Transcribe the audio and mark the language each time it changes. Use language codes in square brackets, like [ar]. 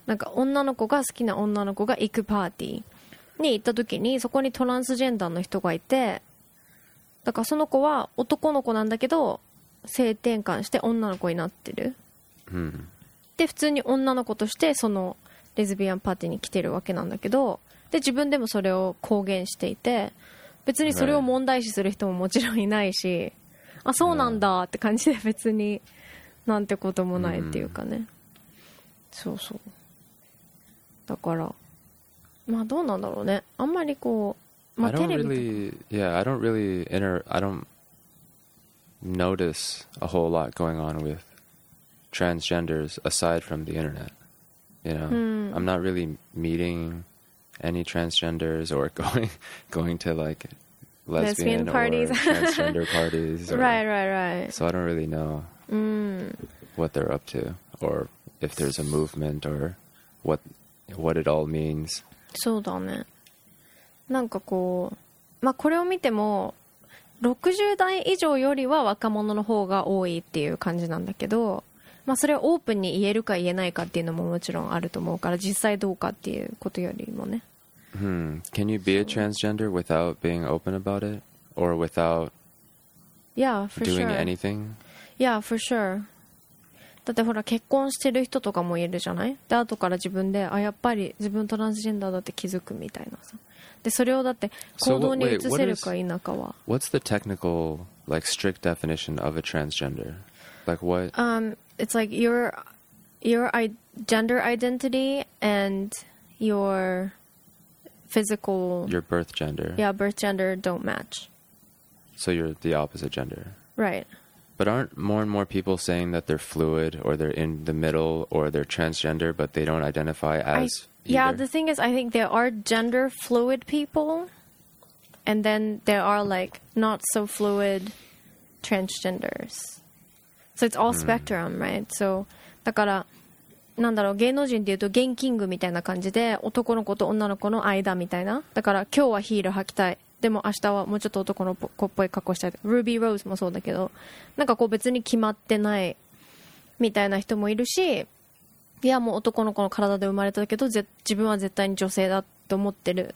[ja] なんか女の子が好きな女の子が行くパーティーに行った時に、そこにトランスジェンダーの人がいて、だからその子は男の子なんだけど性転換して女の子になってる、で普通に女の子としてそのレズビアンパーティーに来てるわけなんだけど、で自分でもそれを公言していて、別にそれを問題視する人ももちろんいないし、あそうなんだって感じで別になんてこともないっていうかね。そうそう、だからまあどうなんだろうね、あんまりこう、まあ、テレビとか [en] I don't notice a whole lot going on with transgenders aside from the internet, you know. I'm not really meeting any transgenders or going to like lesbian parties or transgender parties or, right, so I don't really know what they're up to orIf there's a movement or what it all means. [ja] そうだね。なんかこう、まあこれを見ても60代以上よりは若者の方が多いっていう感じなんだけど、まあそれをオープンに言えるか言えないかっていうのももちろんあると思うから、実際どうかっていうことよりもね。 [en] Can you be a transgender without being open about it or without doing anything? Yeah, for sure. [ja] だってほら結婚してる人とかもいるじゃない、で後から自分であやっぱり自分トランスジェンダーだって気づくみたいなさ、でそれをだって行動に移せるか否かは、 [en] What's the technical like strict definition of a transgender? Like what? It's like your gender identity and your physical your birth gender. Yeah, birth gender don't match. So you're the opposite gender. Right. But aren't more and more people saying that they're fluid or they're in the middle or they're transgender, but they don't identify as either? Yeah, the thing is, I think there are gender fluid people, and then there are like not so fluid transgenders. So it's all spectrum, right? [ja] So, だから、なんだろう、芸能人で言うとゲンキングみたいな感じで、男の子と女の子の間みたいな。だから今日はヒール履きたい。でも明日はもうちょっと男の子っぽい格好したい。 Ruby Rose もそうだけど、なんかこう別に決まってないみたいな人もいるし、いやもう男の子の体で生まれたけど、自分は絶対に女性だと思ってる。